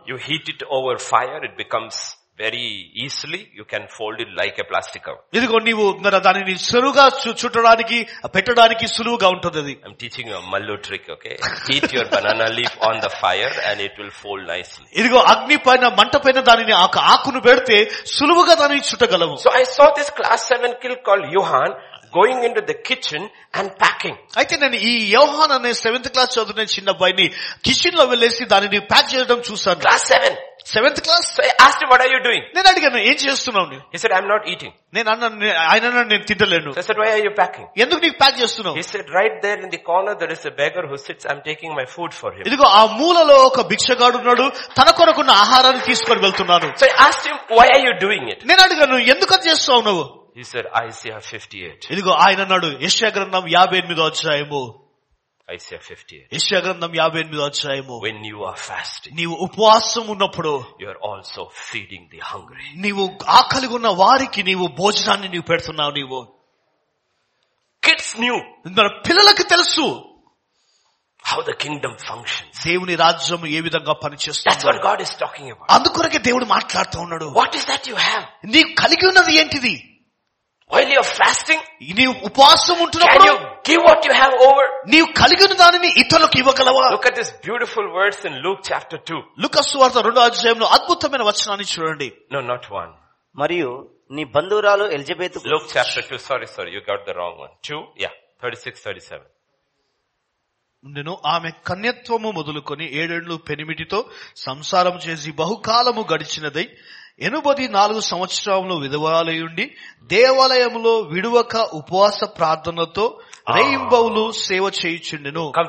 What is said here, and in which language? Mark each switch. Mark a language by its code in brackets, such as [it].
[en] You heat it over fire, it becomes very easily, you can fold it like a plastic cover. [te] ఇదిగో నీవు మరి దానిని సరుగా చుట్టడానికి పెట్టడానికి సులువుగా ఉంటుంది. [en] I'm teaching you a mallu trick, okay? Heat your banana leaf on the fire and it will fold nicely. [te] ఇదిగో అగ్ని పైన మంట పైన దానిని ఆకును పెడితే సులువుగా దానిని చుట్టగలవు. [en] So I saw this class 7 kid called Johan going into the kitchen and packing. [te] అయితే నేను ఈ యోహాన్ అనే 7th క్లాస్ చదువుతున్న చిన్న అబ్బాయిని కిచెన్ లో వెళ్ళేసి దానిని ప్యాక్ చేయడం చూసాను. [en] Class 7. 7th class. So I asked him, what are you doing? [te] నేను అడిగాను ఏం చేస్తున్నావు నువ్వు. [en] He said, I'm not eating. [te] నేను అన్నాను ఆయన అన్నాడు నేను తిట్టలేను. [en] He said, why are you packing? [te] ఎందుకు నీకు ప్యాక్ చేస్తున్నావు. [en] He said, right there in the corner there is a beggar who sits. I'm taking my food for him. [te] ఇదిగో ఆ మూలలో ఒక భిక్షగాడు ఉన్నాడు తన కొరకున్న ఆహారాన్ని తీసుకొని వెళ్తున్నాను. [en] So I asked him, why are you doing it? [te] నేను అడిగాను ఎందుకు అది చేస్తున్నావు నువ్వు. [en] He said, Isaiah 58. [te] ఇదిగో ఆయన అన్నాడు యెషయా గ్రంథం 58వ అధ్యాయము. [en] Isaiah 58. [te] యెషయా గ్రంథం 58వ అధ్యాయము. [en] When you are fasting. [te] నీవు ఉపవాసం ఉన్నప్పుడు. [en] You are also feeding the hungry. [te] నీవు ఆకలి ఉన్న వారికి నీవు భోజనాన్ని నీవు పెడుతున్నావు నీవు. [en] Kids knew. [te] మరి పిల్లలకు తెలుసు. [en] How the kingdom functions. [te] దేవుని రాజ్యం ఏ విధంగా పనిచేస్తుంది. [en] That's what God is talking about. [te] అందుకొరకే దేవుడు మాట్లాడుతూ ఉన్నాడు. [en] What is that you have? [te] నీకు కలిగి ఉన్నది ఏంటిది? [en] While you are fasting, [te] నీవు ఉపవాసం ఉంటున్నప్పుడు, [en] can you give what you have over? [te] నీవు కలిగిన దానిని ఇతరులకు ఇవ్వగలవా? [en] Look at this beautiful words in Luke chapter 2. [te] లూకా సువార్త 2వ అధ్యాయంలో అద్భుతమైన వచనాన్ని చూడండి. [en] No, not one. [te] మరియు నీ బంధువురాలు Elizabeth. [en] Luke chapter 2. Sorry, you got the wrong one. 2, yeah, 36, 37. [te] నేను ఆమె కన్యత్వము మొదలుకొని ఏడేళ్లు పెనిమిటితో సంసారం చేసి బహుకాలము గడిచినదై 84 సంవత్సరములు విధవాలయుండి దేవాలయంలో విడువక ఉపవాస ప్రార్థనతో రెయింబౌలు సేవ చేయుచుండెను.